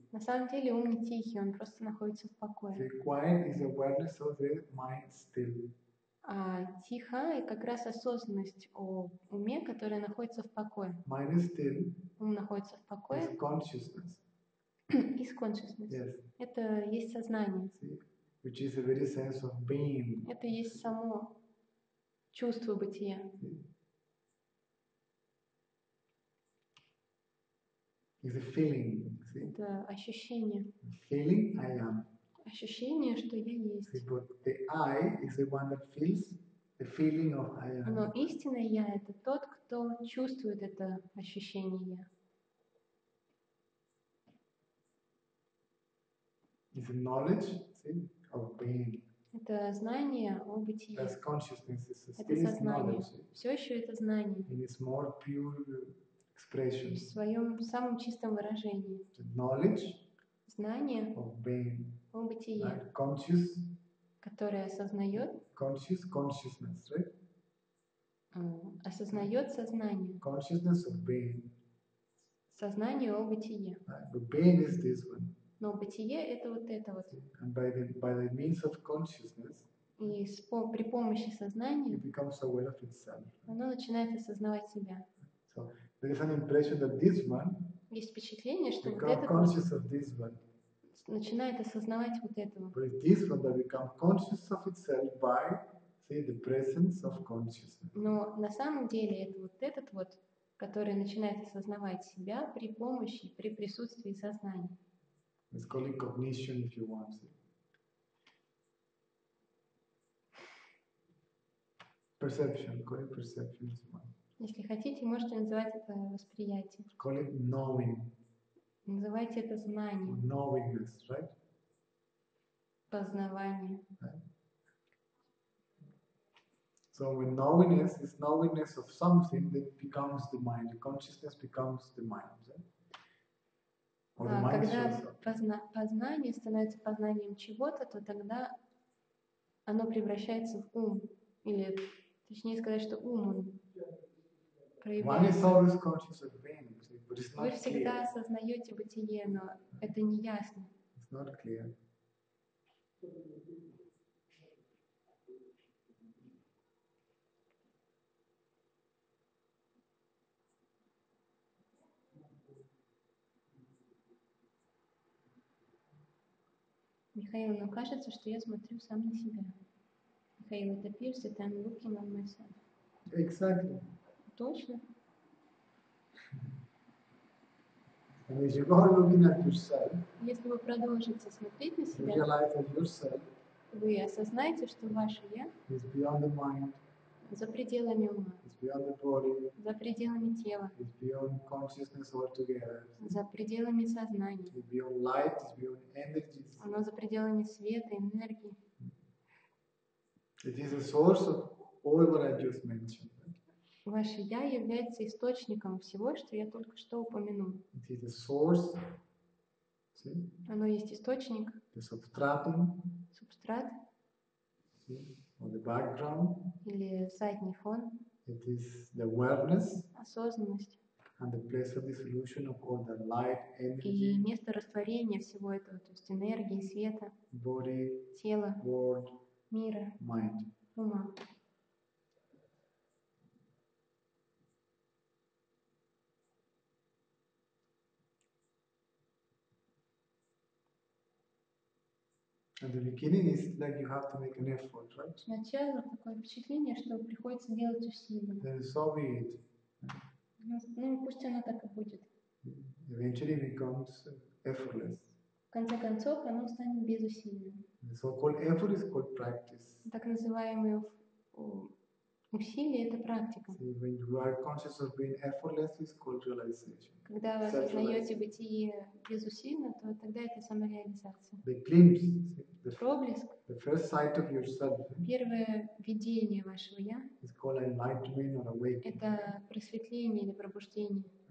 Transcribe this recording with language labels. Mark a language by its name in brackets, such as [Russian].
[Russian] На самом деле ум не тихий, он просто находится в покое. [English] The quiet is awareness of the mind still. [Russian] А тиха и как раз осознанность о уме, которая находится в покое. [English] Mind is still. [Russian] Ум находится в покое. [English] Is consciousness. Is consciousness. Yes. [Russian] Это есть сознание. [English] See? Which is the very sense of being. [Russian] Это есть само чувство бытия. [English] Is a feeling. See? [Russian] Это ощущение. [English] Feeling I am. [Russian] Ощущение, что я есть. [English] See, but the I is the one that feels the feeling of I am. [Russian] Но истинное я — это тот, кто чувствует это ощущение я. [English] Is the knowledge, see, of being. [Russian] Это знание о бытии. [English] That's consciousness. [Russian] Это сознание. Все еще это знание. [English] In its more pure expression. [Russian] В своем самом чистом выражении. [English] The knowledge. [Russian] Знание [English] of being. [Russian] О бытие, [English] conscious, [Russian] которое осознает, [English] conscious consciousness, right? [Russian] Осознает сознание, [English] consciousness of being, [Russian] сознание о бытие. [English] But being is this one. [Russian] Но бытие — это вот это вот. [English] And by the means of consciousness, [Russian] и при помощи сознания, [English] it becomes aware of itself. [Russian] Оно начинает осознавать себя. [English] So there is an impression that this one, [Russian] есть впечатление, что вот этот [English] conscious of this one. [Russian] Начинает осознавать вот этого. [English] But this one that become conscious of itself by, see, the presence of consciousness. [Russian] Но на самом деле это вот этот вот, который начинает осознавать себя при помощи, при присутствии сознания. [English] Let's call it cognition if you want. Perception, call it perception if you want. [Russian] Если хотите, можете называть это восприятие. [English] Call it knowing. [Russian] Называйте это знанием. [English] Knowingness, right? [Russian] Познавание. [English] Right? So when knowingness is knowingness of something, that becomes the mind. Consciousness becomes the mind. Right? Or the mind shows up. [Russian] Когда познание становится познанием чего-то, то тогда оно превращается в ум. Или точнее сказать, что ум он. [English] One is always conscious of being, but it's not clear. [Russian] Вы всегда осознаете бытие, но это не ясно. [English] It's not clear. [Russian] Михаил, но кажется, что я смотрю сам на себя. [English] Михаил, это appears that I'm looking on myself. Exactly. [Russian] Точно. [English] And if you go looking at yourself, [Russian] если вы продолжите смотреть на себя, [English] realize that yourself, [Russian] вы осознаете, что ваше я [English] is beyond the mind, [Russian] за пределами ума, [English] is beyond the body, [Russian] за пределами тела, [English] is beyond consciousness altogether, [Russian] за пределами сознания, [English] is beyond light, is beyond energies, [Russian] оно за пределами света и энергии. [English] It is the source of all what I just mentioned. [Russian] Ваше «Я» является источником всего, что я только что упомянул. [English] It is a source. See? [Russian] Оно есть источник. [English] The substratum. [Russian] Субстрат. [English] See? Or the background. [Russian] Или задний фон. [English] It is the awareness. [Russian] Осознанность. [English] And the place of dissolution of all the light, energy. [Russian] И место растворения всего этого, то есть энергии, света. [English] Body. [Russian] Тело. [English] World. [Russian] Мира. [English] Mind. [Russian] Ума. [English] At the beginning, it's like you have to make an effort, right? [Russian] Сначала такое впечатление, что приходится делать усилия. [English] Then so be it. [Russian] Ну, пусть оно так и будет. [English] Eventually, it becomes effortless. [Russian] конце концов, оно станет безусильным. [English] So-called effort is called practice. [Russian] Так называемые усилия — это практика. [English] So when you are conscious of being effortless, it's called realization. [Russian] Когда вы осознаете бытие безусильно, то тогда это самореализация. [English] The glimpse, the [Russian] проблеск, [English] the first sight of yourself, [Russian] первое видение вашего «я» [English] is called enlightenment or awakening. [Russian] Это просветление или пробуждение.